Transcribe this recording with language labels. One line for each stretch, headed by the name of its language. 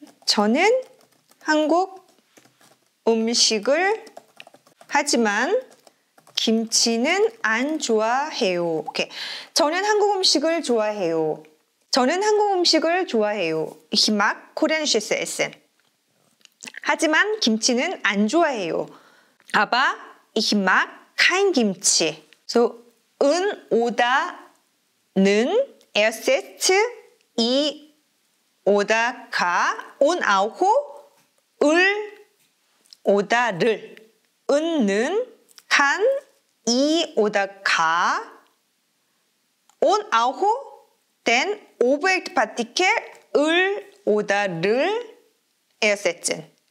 Korean: 저는 한국 음식을 하지만 김치는 안 좋아해요. Okay. 저는 한국 음식을 좋아해요. 저는 한국 음식을 좋아해요.
German: Ich mag koreanisches Essen.
Korean: 하지만 김치는 안 좋아해요.
German: Aber ich mag kein Kimchi. So, 은 oder 는 ersetzt 이 oder 가 und auch 을 oder 를. 은 는 kann 이 oder 가 und auch den Object Partikel 을 oder 를 ersetzen.